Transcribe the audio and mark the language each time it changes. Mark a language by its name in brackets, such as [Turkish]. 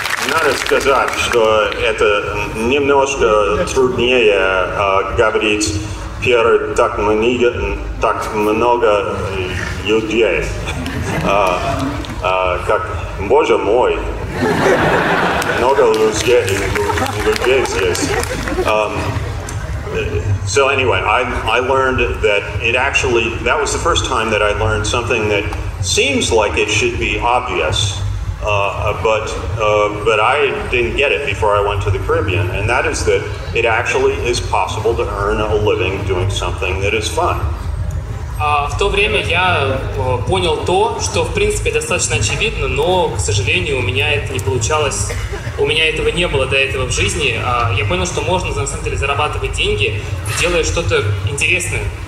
[Russian] Надо сказать, что это немножко труднее говорить перед так много людей, как, боже мой, много людей здесь. [English] So anyway, I learned that it actually, that was the first time that I learned something that seems like it should be obvious. But I didn't get it before I went to the Caribbean, and that is that it actually is possible to earn a living doing something that is fun. [Russian] В то время я понял то, что в принципе достаточно очевидно, но, к сожалению, у меня это не получалось, у меня этого не было до этого в жизни. Я понял, что можно, на самом деле, зарабатывать деньги, делая что-то интересное.